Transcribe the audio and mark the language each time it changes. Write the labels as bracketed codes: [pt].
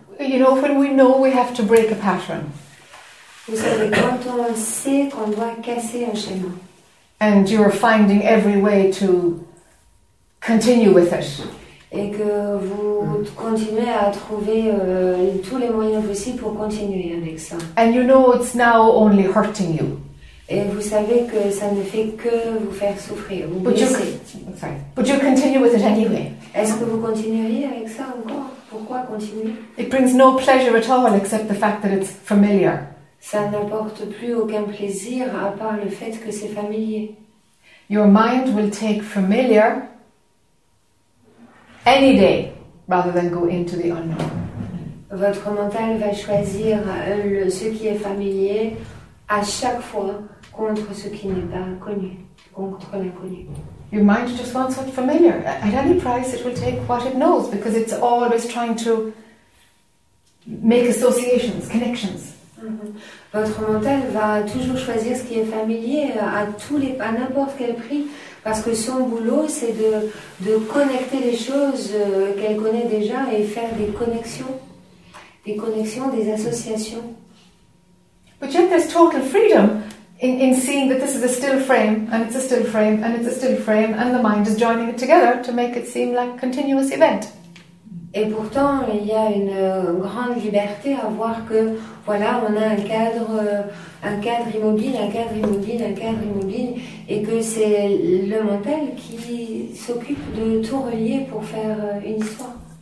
[en] You know, when we know we have to break a pattern. [fr] Vous savez, quand on sait qu'on doit casser un schéma. [en] And you are finding every way to continue with it. [fr] Et que vous continuez à trouver tous les moyens possibles pour continuer avec ça. [en] And you know it's now only hurting you. [fr] Et vous savez que ça ne fait que vous faire souffrir, vous blesser. [en] But you continue with it anyway. [fr] Est-ce que vous continueriez avec ça encore? Pourquoi continuer? [en] It brings no pleasure at all except the fact that it's familiar. [fr] Ça n'apporte plus aucun plaisir à part le fait que c'est familier. [en] Your mind will take familiar any day rather than go into the unknown. [fr] Votre mental va choisir ce qui est familier à chaque fois contre ce qui n'est pas connu, contre l'inconnu. [en] Your mind just wants what's familiar. At any price, it will take what it knows because it's always trying to make associations, connections. [fr] Votre mental va toujours choisir ce qui est familier à tous les à n'importe quel prix parce que son boulot c'est de connecter les choses qu'elle connaît déjà et faire des connexions, des associations. [en] But yet there's total freedom in seeing that this is a still frame and it's a still frame and it's a still frame and the mind is joining it together to make it seem like a continuous event. [fr] Et pourtant, il y a une grande liberté à voir que, voilà, on a un cadre immobile, et que c'est le mental qui s'occupe de tout relier pour faire une histoire.